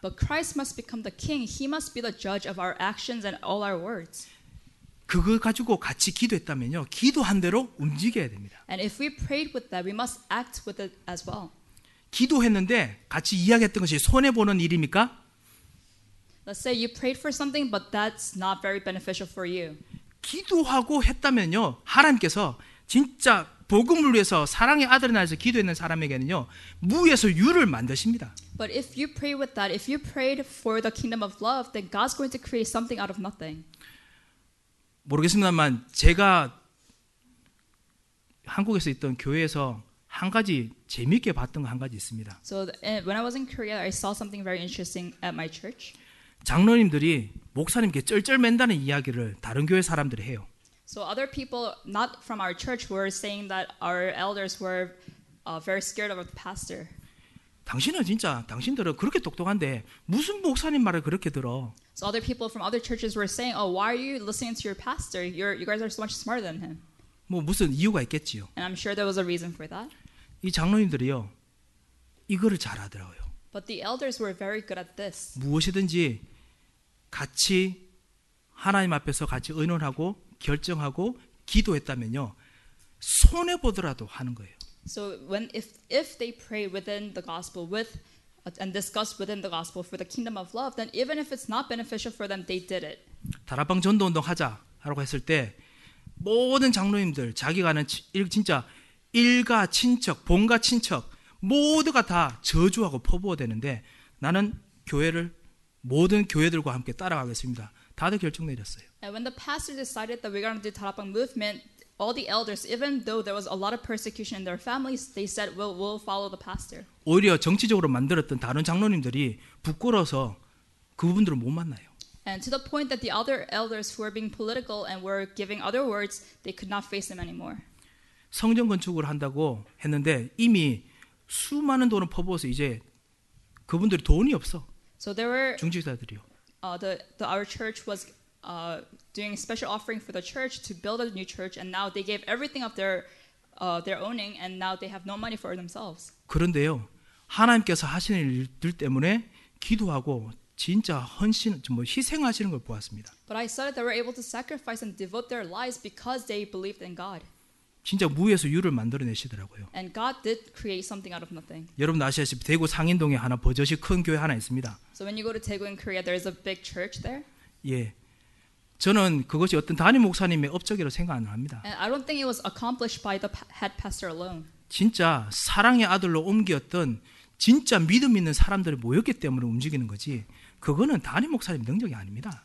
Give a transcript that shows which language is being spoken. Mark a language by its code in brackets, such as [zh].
[en] But Christ must become the king. He must be the judge of our actions and all our words. [ko] 그거 가지고 같이 기도했다면요. 기도한 대로 움직여야 됩니다. [en] And if we prayed with that, we must act with it as well. [ko] 기도했는데 같이 이야기했던 것이 손해 보는 일입니까? [en] Let's say you prayed for something but that's not very beneficial for you. [ko] 기도하고 했다면요. 하나님께서 진짜 복음을 위해서 사랑의 아들을 낳아서 기도했는 사람에게는요. 무에서 유를 만드십니다. [en] But if you pray with that, if you prayed for the kingdom of love, then God's going to create something out of nothing. [ko] 모르겠습니다만 제가 한국에서 있던 교회에서 한 가지 재미있게 봤던 거 한 가지 있습니다. [en] So when I was in Korea, I saw something very interesting at my church. [ko] 장로님들이 목사님께 쩔쩔맨다는 이야기를 다른 교회 사람들이 해요. [en] So other people not from our church were saying that our elders were very scared of the pastor. [ko] 당신은 진짜 당신들은 그렇게 똑똑한데 무슨 목사님 말을 그렇게 들어? [en] So other people from other churches were saying, "Oh, why are you listening to your pastor? You guys are so much smarter than him." [ko] 뭐 무슨 이유가 있겠지요. [en] And I'm sure there was a reason for that. [ko] 이 장로님들이요, 이거를 잘하더라고요. [en] But the elders were very good at this. [ko] 무엇이든지 같이 하나님 앞에서 같이 의논하고 결정하고 기도했다면요, 손해 보더라도 하는 거예요. [en] So when if they pray within the gospel with and discuss within the gospel for the kingdom of love, then even if it's not beneficial for them, they did it. [ko] 다락방 전도 운동 하자 하라고 했을 때 모든 장로님들 자기가 아는 진짜 일가 친척 본가 친척 모두가 다 저주하고 퍼부어 되는데 나는 교회를 모든 교회들과 함께 따라가겠습니다. 다들 결정 내렸어요. [en] And when the pastor decided that we're going to do 다락방 movement. All the elders, even though there was a lot of persecution in their families, they said, "We'll follow the pastor." [ko] 오히려 정치적으로 만들었던 다른 장로님들이 부끄러워서 그분들을 못 만나요. [en] And to the point that the other elders who were being political and were giving other words, they could not face them anymore. [ko] 성전 건축을 한다고 했는데 이미 수많은 돈을 퍼부어서 이제 그분들이 돈이 없어. [en] So there were [ko] 중직자들이요. [en] Our church was. Doing a special offering for the church to build a new church, and now they gave everything of their owning, and now they have no money for themselves. [ko] 그런데요, 하나님께서 하시는 일들 때문에 기도하고 진짜 헌신, 뭐 희생하시는 걸 보았습니다. [en] But I saw that they were able to sacrifice and devote their lives because they believed in God. [ko] 진짜 무에서 유를 만들어내시더라고요. [en] And God did create something out of nothing. [ko] 여러분 아시다시피 대구 상인동에 하나 버젓이 큰 교회 하나 있습니다. [en] So when you go to Daegu in Korea, there is a big church there. [ko] 예. 저는 그것이 어떤 담임 목사님의 업적이라고 생각 안 합니다. [en] And I don't think it was accomplished by the head pastor alone. [ko] 진짜 사랑의 아들로 옮겼던 진짜 믿음 있는 사람들이 모였기 때문에 움직이는 거지. 그거는 담임 목사님 능력이 아닙니다.